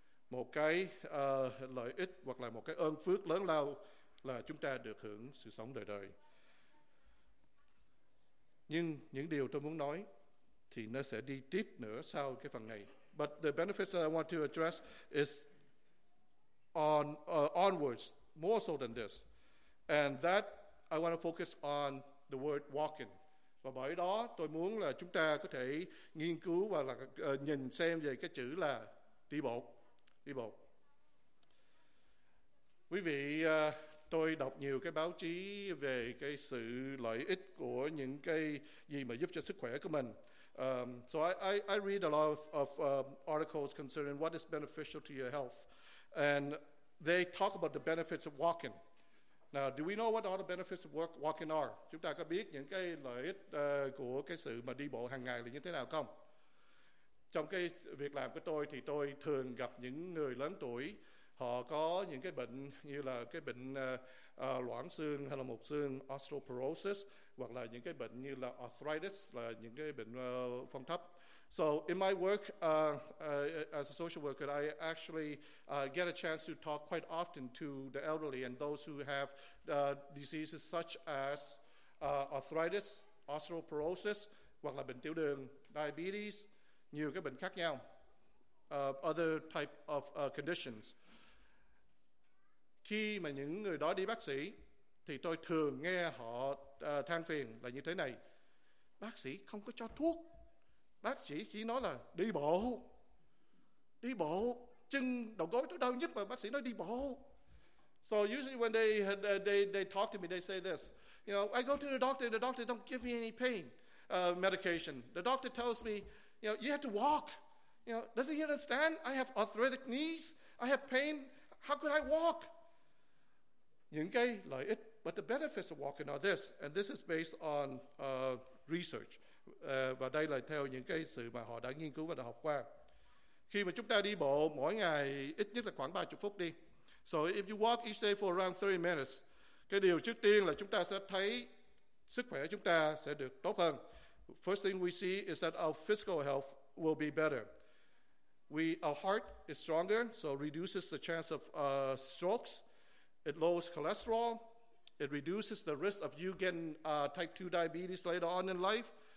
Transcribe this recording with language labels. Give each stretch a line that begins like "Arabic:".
Vietnamese: Một cái lợi ích hoặc là một cái ơn phước lớn lao là chúng ta được hưởng sự sống đời đời. Nhưng những điều tôi muốn nói thì nó sẽ đi tiếp nữa sau cái phần này.
English: But the benefits that I want to address is onwards, more so than this. And that I want to focus on the word walking.
Vietnamese: Và bởi đó tôi muốn là chúng ta có thể nghiên cứu và là nhìn xem về cái chữ là đi bộ. Đi bộ. Quý vị, tôi đọc nhiều cái báo chí về cái sự lợi ích của những cái gì mà giúp cho sức khỏe của mình.
English: So I read a lot of articles concerning what is beneficial to your health. And they talk about the benefits of walking. Now, do we know what all the benefits of walking are?
Vietnamese: Chúng ta có biết những cái lợi ích của cái sự mà đi bộ hàng ngày là như thế nào không? Trong cái việc làm của tôi thì tôi thường gặp những người lớn tuổi, họ có những cái bệnh như là cái bệnh loãng xương hay là mục xương, osteoporosis, hoặc là những cái bệnh như là arthritis, là những cái bệnh phong thấp.
English: So in my work as a social worker, I actually get a chance to talk quite often to the elderly and those who have diseases such as arthritis, osteoporosis,
Vietnamese: hoặc là bệnh tiểu đường,
English: diabetes,
Vietnamese: nhiều cái bệnh khác nhau,
English: other type of conditions.
Vietnamese: Khi mà những người đó đi bác sĩ, thì tôi thường nghe họ than phiền là như thế này. Bác sĩ không có cho thuốc. Bác sĩ chỉ nói là đi bộ. Đi bộ. Chân đầu gối tôi đau nhất mà bác sĩ nói đi bộ.
English: So usually when they talk to me, they say this. You know, I go to the doctor and the doctor don't give me any pain medication. The doctor tells me, you know, you have to walk. You know, doesn't he understand? I have arthritic knees. I have pain. How could I walk?
Vietnamese: Những cái lợi ích,
English: but the benefits of walking are this, and this is based on research.
Vietnamese: Và đây là theo những cái sự mà họ đã nghiên cứu và đã học qua. Khi mà chúng ta đi bộ mỗi ngày ít nhất là khoảng 30 phút đi.
English: So if you walk each day for around 30 minutes,
Vietnamese: cái điều trước tiên là chúng ta sẽ thấy sức khỏe chúng ta sẽ được tốt hơn.
English: First thing we see is that our physical health will be better. Our heart is stronger, so it reduces the chance of strokes. It lowers cholesterol. It reduces the risk of you getting type 2 diabetes later on in life.